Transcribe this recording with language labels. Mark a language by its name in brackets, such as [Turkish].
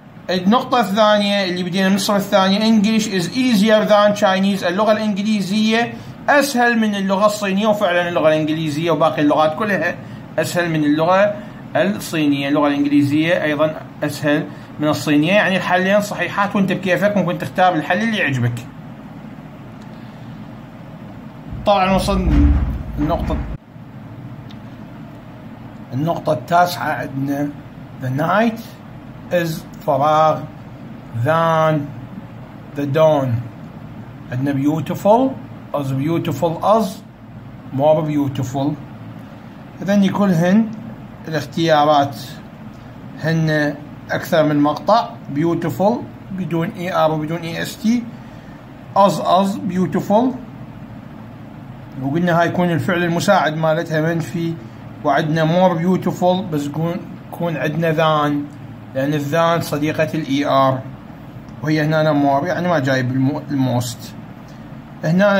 [Arabic] النقطة الثانية اللي بدينا من الصف الثانية، [English] English is easier than Chinese، [Arabic] اللغة الإنجليزية أسهل من اللغة الصينية، وفعلا اللغة الإنجليزية وباقي اللغات كلها أسهل من اللغة الصينية، اللغة الإنجليزية أيضا أسهل من الصينية، يعني الحلين صحيحات، وانت بكيفك ممكن تختار الحل اللي يعجبك. طبعا وصلنا النقطة التاسعة عندنا، [English] the night is فراغ than the dawn، [Arabic] عندنا [English] beautiful as beautiful as more beautiful. [Arabic] إذن كلهن الاختيارات هن أكثر من مقطع، beautiful بدون ER وبدون EST، as beautiful، وقلنا هاي يكون الفعل المساعد مالتها منفي، وعندنا [English] more beautiful [Arabic] بس يكون عندنا than، لأن الذان صديقة الـ ER وهي هنا مور، يعني ما جايب الموست هنا.